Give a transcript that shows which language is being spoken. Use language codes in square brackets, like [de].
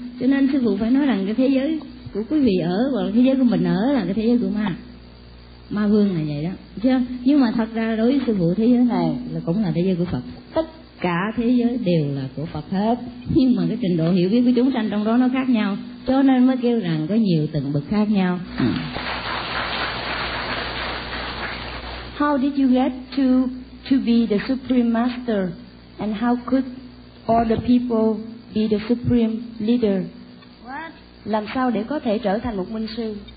[vi] Cho nên sư phụ phải nói rằng cái thế giới của quý vị ở hoặc là thế giới của mình ở là cái thế giới của ma, ma vương là vậy đó chưa. Nhưng mà thật ra đối với sư phụ, thế giới này là cũng là thế giới của Phật, tất cả thế giới đều là của Phật hết, nhưng mà cái trình độ hiểu biết của chúng sanh trong đó nó khác nhau, cho nên mới kêu rằng có nhiều tầng bậc khác nhau. [en] How did you get to be the supreme master, and how could all the people be the supreme leader? What? [vi] Làm sao để có thể trở thành một minh sư?